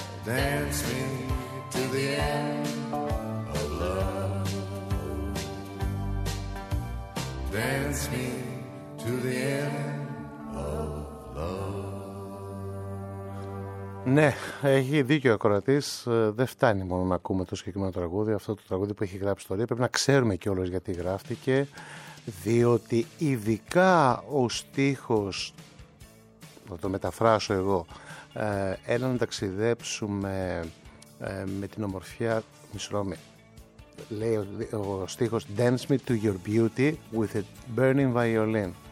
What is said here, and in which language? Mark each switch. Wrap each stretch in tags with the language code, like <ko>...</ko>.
<en>Dance me to the end of love. Dance me to the end of love.</en> <el>Ναι, έχει δίκιο ο ακροατής. Δεν φτάνει μόνο να ακούμε το συγκεκριμένο τραγούδι. Αυτό το τραγούδι που έχει γράψει τώρα πρέπει να ξέρουμε κιόλας γιατί γράφτηκε. Διότι ειδικά ο στίχος, θα το μεταφράσω εγώ, έλα να ταξιδέψουμε με την ομορφιά. Μισρώμη. Λέει ο στίχος</el> <en>Dance me to your beauty with a burning violin.</en>